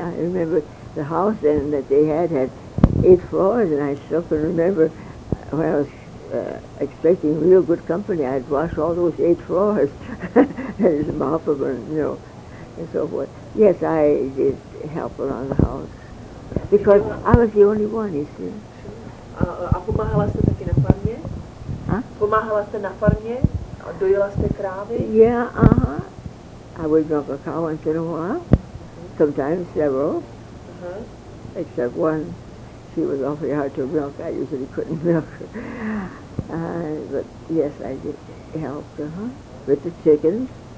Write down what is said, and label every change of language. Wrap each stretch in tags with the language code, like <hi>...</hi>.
<en>I remember the house then that they had 8 floors, and I still can remember when I was expecting real good company, I'd wash all those 8 floors. That is mopping, you know, and so forth. Yes, I did help around the house, because I was the only one, you see.</en> <cs>A pomáhala jste taky na farmě? Huh? Pomáhala jste na farmě? A dojela jste krávy?</cs> <en>Yeah, uh-huh. I would milk a cow once in a while. Uh-huh. Sometimes several. Uh-huh. Except one. She was awfully hard to milk. I usually couldn't milk her. But yes, I did help her, uh-huh, with the chickens.</en>